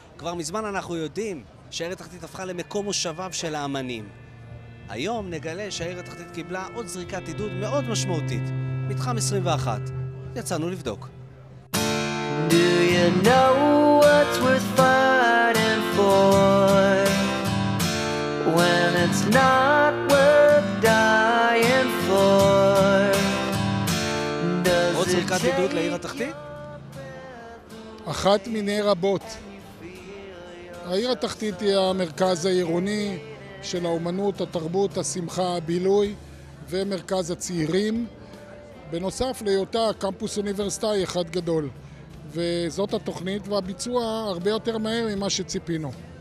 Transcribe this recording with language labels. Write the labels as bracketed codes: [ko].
[he] כבר מזמן אנחנו יודעים שהעיר התחתית הפכה למקום מושביו של האמנים. היום נגלה שהעיר התחתית קיבלה עוד זריקת עידוד מאוד משמעותית. מתחם 21. יצאנו לבדוק. [en] Do you know what's worth fighting for when it's not worth dying for? [he] עוד זריקת עידוד לעיר התחתית? אחת מיני רבות. העיר התחתית היא המרכז העירוני של האומנות, התרבות, השמחה, הבילוי ומרכז הצעירים. בנוסף להיותה קמפוס אוניברסיטאי אחד גדול. וזאת התוכנית והביצוע הרבה יותר מהר ממה שציפינו.